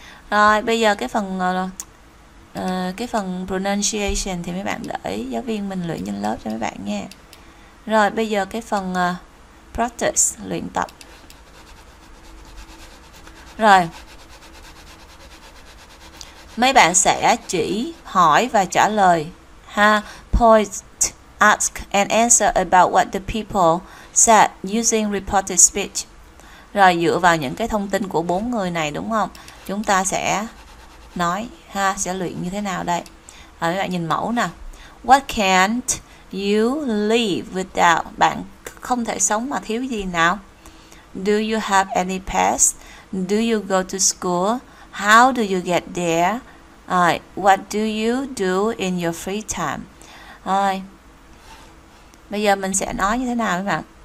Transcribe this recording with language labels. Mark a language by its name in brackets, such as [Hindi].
[Vietnamese] Rồi, bây giờ cái phần pronunciation thì mấy bạn để giáo viên mình luyện trên lớp cho mấy bạn nha. Rồi, bây giờ cái phần practice, luyện tập. Rồi, mấy bạn sẽ chỉ hỏi và trả lời ha. [English] Point, ask and answer about what the people said using reported speech. [Vietnamese] Rồi dựa vào những cái thông tin của bốn người này đúng không? Chúng ta sẽ nói ha, sẽ luyện như thế nào đây? À, mấy bạn nhìn mẫu nè. [English] What can't you live without? [Vietnamese] Bạn không thể sống mà thiếu gì nào? [English] Do you have any pets? Do you go to school? How do you get there? What do you do in your free time? [Vietnamese] Rồi. Bây giờ mình sẽ nói như thế nào mấy bạn?